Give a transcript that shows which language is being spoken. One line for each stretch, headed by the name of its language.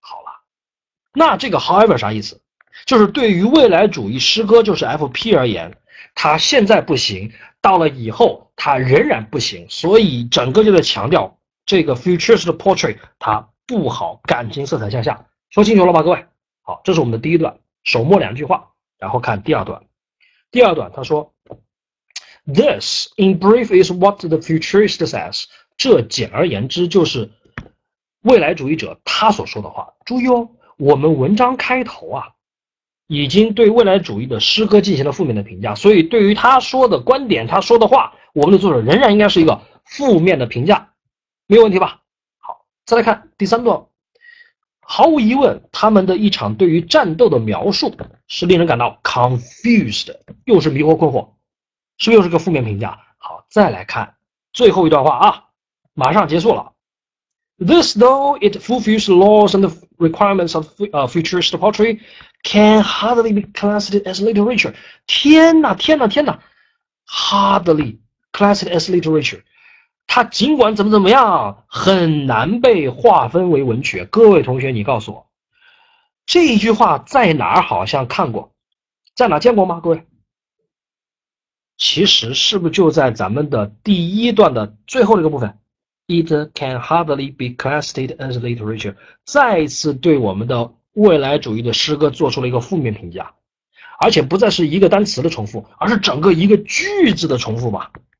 Chinese: 好了，那这个 however 啥意思？就是对于未来主义诗歌，就是 FP 而言，它现在不行，到了以后它仍然不行。所以整个就在强调这个 futurist poetry 它不好，感情色彩向下。说清楚了吧，各位？好，这是我们的第一段，手默两句话，然后看第二段。第二段他说。
English: This, in brief, is what the futurist says.
Chinese: 这简而言之就是未来主义者他所说的话。注意哦，我们文章开头啊，已经对未来主义的诗歌进行了负面的评价，所以对于他说的观点、他说的话，我们的作者仍然应该是一个负面的评价，没有问题吧？好，再来看第三段。毫无疑问，他们的一场对于战斗的描述是令人感到 confused， 又是迷惑困惑。是不是又是个负面评价？好，再来看最后一段话啊，马上结束了。
English: This, though it fulfills laws and requirements of futurist poetry, can hardly be classed as literature.
Chinese: 天哪，天哪，天哪
English: ！Hardly classed as literature.
Chinese: 它尽管怎么怎么样，很难被划分为文学。各位同学，你告诉我，这一句话在哪儿好像看过，在哪儿见过吗？各位？其实是不是就在咱们的第一段的最后这个部分 ？
English: It can hardly be classed as literature，
Chinese: 再一次对我们的未来主义的诗歌做出了一个负面评价，而且不再是一个单词的重复，而是整个一个句子的重复吧。